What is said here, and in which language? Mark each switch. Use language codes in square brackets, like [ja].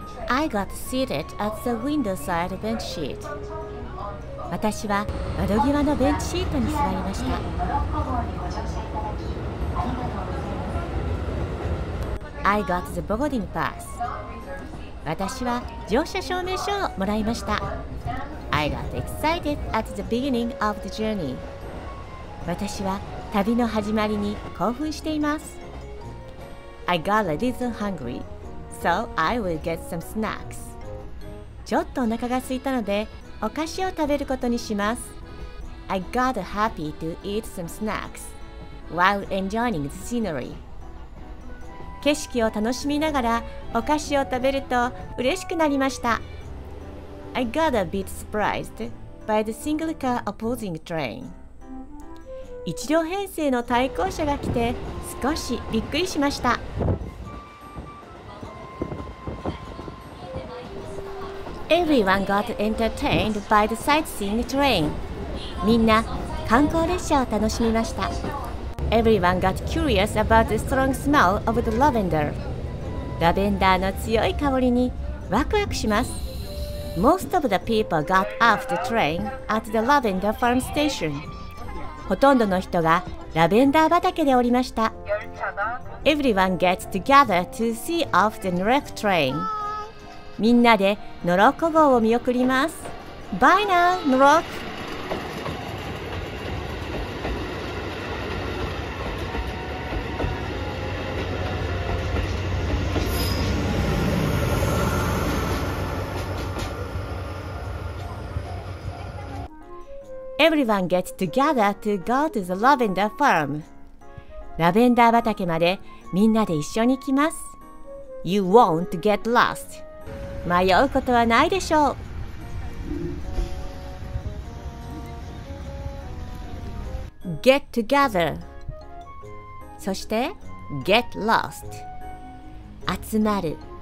[en] I got seated at the window side bench seat. [ja] 私は窓際のベンチシートに座りました。 [en] I got the boarding pass. [ja] 私は乗車証明書をもらいました。 [en] I got excited at the beginning of the journey. [ja] 私は旅の始まりに興奮しています。 [en] I got a little hungry. So I will get some snacks. [ja] ちょっとお腹が空いたので、お菓子を食べることにします。 [en] I got happy to eat some snacks while enjoying the scenery. [ja] 景色を楽しみながらお菓子を食べると嬉しくなりました。 [en] I got a bit surprised by the single car opposing train. [ja] 一両編成の対向車が来て少しびっくりしました。 [en] Everyone got entertained by the sightseeing train. [ja] みんな観光列車を楽しみました。 [en] Everyone got curious about the strong smell of the lavender. [ja] ラベンダーの強い香りにワクワクします。 [en] Most of the people got off the train at the lavender farm station. [ja] ほとんどの人がラベンダー畑で降りました。 [en] Everyone gets together to see off the Norek train. [ja] みんなでノロッコ号を見送ります。 [en] Bye now, Norek! Everyone gets together to go to the lavender farm. [ja] ラベンダー畑までみんなで一緒に行きます。 [en] You won't get lost. [ja] 迷うことはないでしょう。 [en] Get together. そして get lost. 集まる。